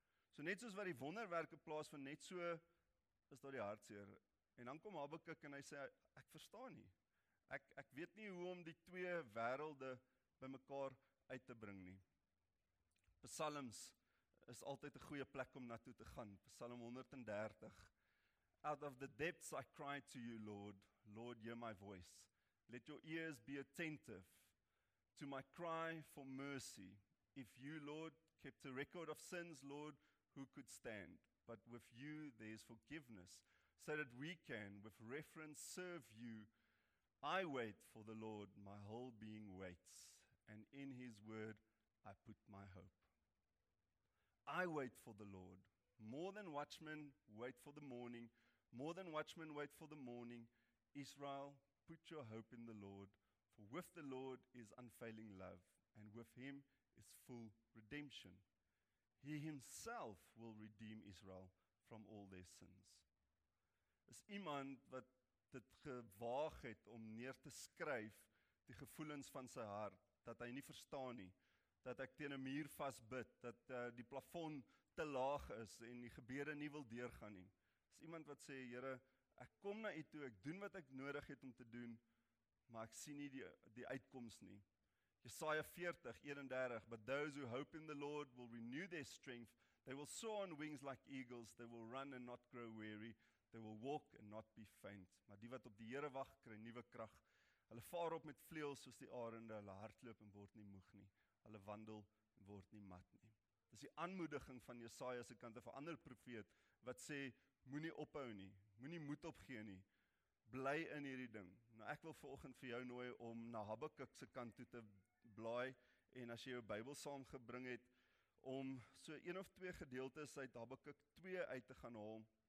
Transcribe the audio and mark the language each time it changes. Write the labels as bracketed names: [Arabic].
[Afrikaans] So net soos wat die wonderwerke plaas van net so, is daar die hartseer. En dan kom Habakuk en hy sê, ek verstaan nie. Ek weet nie hoe om die twee werelde by mekaar uit te bring nie. Psalms is altyd 'n goeie plek om naartoe te gaan. Psalm 130. [English] Out of the depths I cry to you, Lord. Lord, hear my voice. Let your ears be attentive to my cry for mercy. If you, Lord, kept a record of sins, Lord, who could stand? But with you there is forgiveness, so that we can, with reverence, serve you. I wait for the Lord, my whole being waits, and in his word I put my hope. I wait for the Lord, more than watchmen wait for the morning, more than watchmen wait for the morning. Israel, put your hope in the Lord, for with the Lord is unfailing love, and with him is full redemption. He himself will redeem Israel from all their sins. [Afrikaans] Is iemand wat dit gewaag het om neer te skryf die gevoelens van sy hart, dat hy nie verstaan nie, dat ek teen 'n muur vas bid, dat die plafon te laag is en die gebede nie wil deurgaan nie. Is iemand wat sê, Here, ek kom na u toe, ek doen wat ek nodig het om te doen, maar ek sien nie die uitkoms nie. [English] Jesaja 40:31, but those who hope in the Lord will renew their strength, they will soar on wings like eagles, they will run and not grow weary, they will walk and not be faint. [Afrikaans] Maar die wat op die Here wag, kry nuwe krag. Hulle vaar op met vleuels soos die arende, hulle hardloop en word nie moeg nie. Hulle wandel en word nie mat nie. Dis die aanmoediging van Jesaja se kant af 'n ander profeet wat sê moenie ophou nie, moenie moed opgee nie. Bly in hierdie ding. Nou ek wil vanoggend vir jou nooi om na Habakuk se kant toe te blaai en as jy jou Bybel saamgebring het om so een of twee gedeeltes uit Habakuk 2 uit te gaan haal.